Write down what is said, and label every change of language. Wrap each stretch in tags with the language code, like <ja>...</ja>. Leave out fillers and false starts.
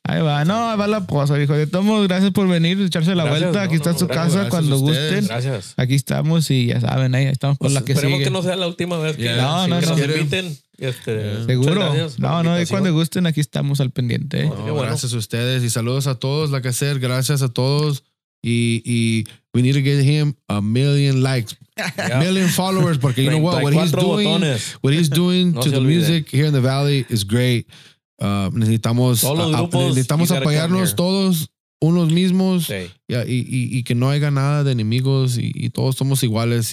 <es>Ahí va. No, ahí va la cosa, hijo. De todos modos, gracias por venir, echarse la vuelta. Aquí está su casa cuando gusten. Gracias. Aquí estamos y ya saben, ahí estamos por la que esperemos sigue. Esperemos que no sea la última vez que nos inviten. Seguro. No, y cuando gusten, aquí estamos al pendiente. Bueno. Gracias a ustedes y saludos a todos. La que hacer, gracias a todos.</es> <en>Y we need to get him 1,000,000 likes, 1,000,000 followers, porque you know what? What he's doing to the music here in the valley is great.</en> <es>Necesitamos apoyarnos todos unos mismos y que no haya nada de enemigos y todos somos iguales.</es>